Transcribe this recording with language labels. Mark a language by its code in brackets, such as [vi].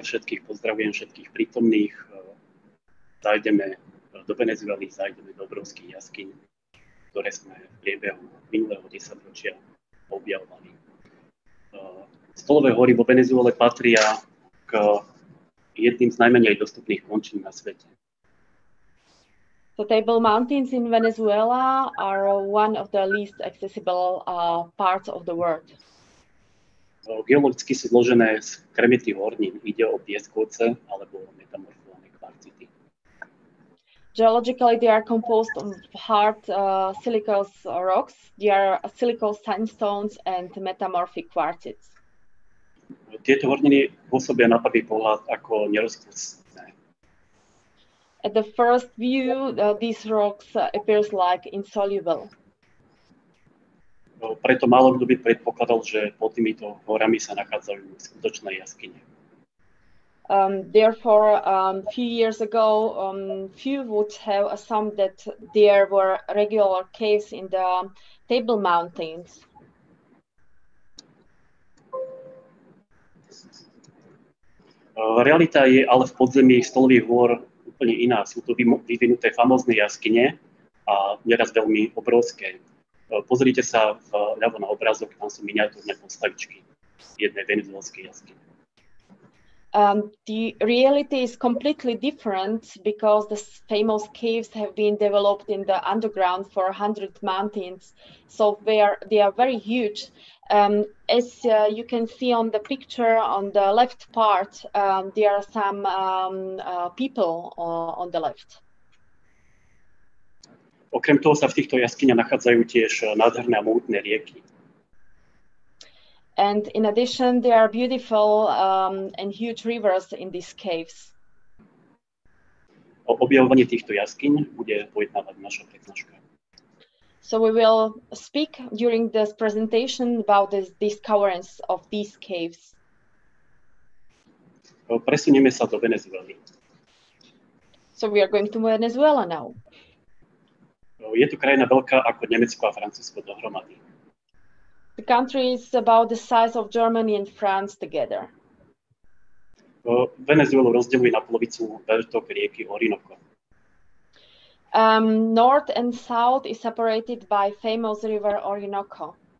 [sk] Všetkých pozdravujem, všetkých prítomných. Zajdeme do Venezuely, zajdeme do obrovských jaskyň, ktoré sme v priebehu minulého 10-ročia objavovali. Stolové hory vo Venezuele patria k jedným z najmenej dostupných končín na svete. [en] The Table Mountains in Venezuela are one of the least accessible parts of the world. [sk] Geologicky sú zložené z kremitných hornín, ide o pieskovce alebo metamorfované kvarcity. [en] Geologically, they are composed of hard silicious rocks. They are silicious sandstones and metamorphic quartzites. [sk] Tieto horniny pôsobia na prvý pohľad ako nerozpustné. [en] At the first view, these rocks appears like insoluble. [sk] Preto málo kto by predpokladal, že pod týmito horami sa nachádzajú skutočné jaskyne. [en] Therefore, few years ago, few would have assumed that there were regular caves in the Table Mountains. [sk] Realita je ale v podzemí stolových hôr úplne iná. Sú to vyvinuté famózne jaskyne a nieraz veľmi obrovské. Pozrite sa ľavo na obrázok, tam sú miniatúrne postavičky jednej venezuelskej jaskyne. [en] The reality is completely different because the famous caves have been developed in the underground for 100 mountains. So they are very huge. As you can see on the picture on the left part, there are some people on the left. [sk] Okrem toho sa v týchto jaskyniach nachádzajú tiež nádherné a mohutné rieky. [en] And in addition, there are beautiful and huge rivers in these caves. [sk] O objavovanie týchto jaskyň bude pojednávať naša prednáška. [en] So we will speak during this presentation about the discoveries of these caves. [sk] Presunieme sa do Venezuely. [en] So we are going to Venezuela now. [sk] Je to krajina veľká ako Nemecko a Francúzsko dohromady. [en] The country is about the size of Germany and France together. [sk] Venezuelu rozdeľuje na polovicu vrtok rieky Orinoco. [en] North and south is separated by famous river Orinoco.